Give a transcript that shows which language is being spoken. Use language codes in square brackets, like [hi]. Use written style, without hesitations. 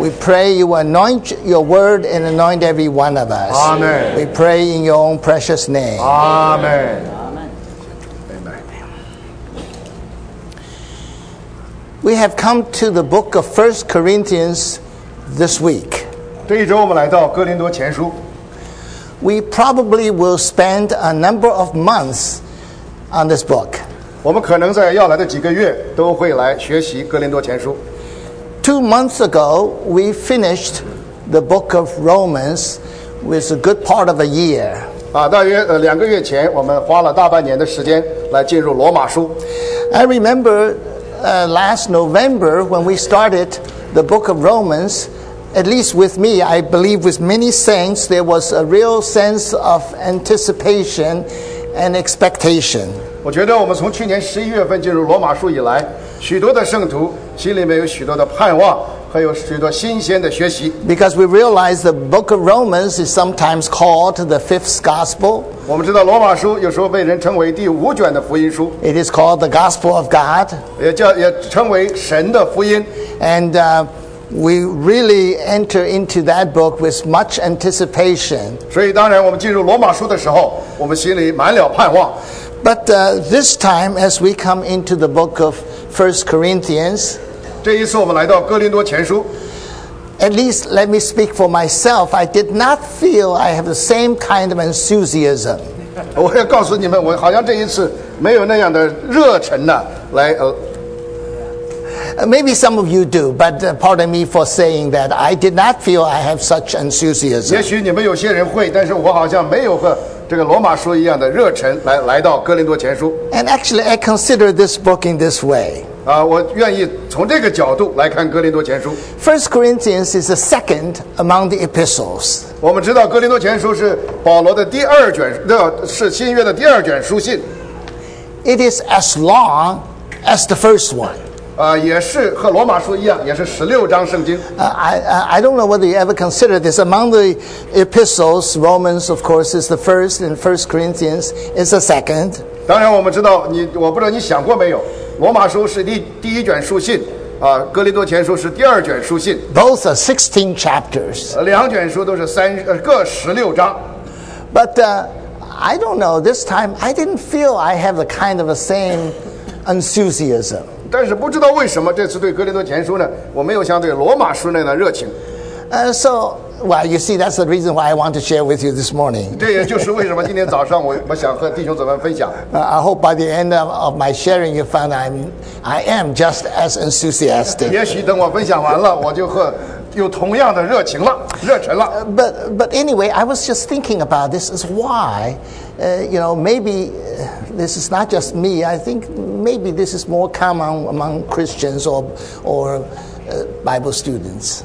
[en] We pray you anoint your word and anoint every one of us. Amen. We pray in your own precious name. Amen. We have come to the book of 1 Corinthians this week. [zh] 这一周我们来到哥林多前书。 [en] We probably will spend a number of months on this book. [zh] 我们可能在要来的几个月都会来学习哥林多前书。 [en] 2 months ago, we finished the book of Romans with a good part of a year. [zh] 大约两个月前我们花了大半年的时间来进入罗马书。 [en] I remember last November when we started the book of Romans, at least with me, I believe with many saints, there was a real sense of anticipation and expectation. [zh] 我觉得我们从去年11月份进入罗马书以来，许多的圣徒心里面有许多的盼望，还有许多新鲜的学习。 [en] Because we realize the book of Romans is sometimes called the fifth gospel. [zh] 我们知道罗马书有时候被人称为第五卷的福音书。 [en] It is called the gospel of God. [zh] 也称为神的福音。 [en] And we really enter into that book with much anticipation. [zh] 所以当然我们进入罗马书的时候，我们心里满了盼望。 [en] But this time, as we come into the book of 1 Corinthians, [zh] 这一次我们来到哥林多前书。 [en] At least let me speak for myself. I did not feel I have the same kind of enthusiasm. [zh] 我要告诉你们，我好像这一次没有那样的热忱呢。来 [en] Maybe some of you do, but pardon me for saying that. I did not feel I have such enthusiasm. [zh] 也许你们有些人会，但是我好像没有和这个罗马书一样的热忱来到哥林多前书。 [en] And actually, I consider this book in this way. [zh] 我愿意从这个角度来看哥林多前书。 [en] First Corinthians is the second among the epistles. [zh] 我们知道哥林多前书是保罗的第二卷，是新约的第二卷书信。 [en] It is as long as the first one. [zh] 也是和罗马书一样，也是16章圣经。 [en] I don't know whether you ever consider this among the epistles. Romans, of course, is the first, and First Corinthians is the second. [zh] 当然，我们知道你，我不知道你想过没有，罗马书是第一卷书信，哥林多前书是第二卷书信。 [en] Both are 16 chapters. [zh] 两卷书都是各16章。 [en] But I don't know. This time, I didn't feel I have the kind of the same enthusiasm. [zh] 但是不知道为什么这次对哥林多前书呢，我没有像对罗马书那样的热情。 [en] So, well, you see, that's the reason why I want to share with you this morning. [zh] 这也就是为什么今天早上我想和弟兄姊妹分享。 [en] I hope by the end of my sharing, you find I am just as enthusiastic. [zh] 也许等我分享完了，我就和有同样的热情了，热忱了。 [en] But anyway, I was just thinking about this is why. You know, maybe this is not just me. I think maybe this is more common among Christians or Bible students.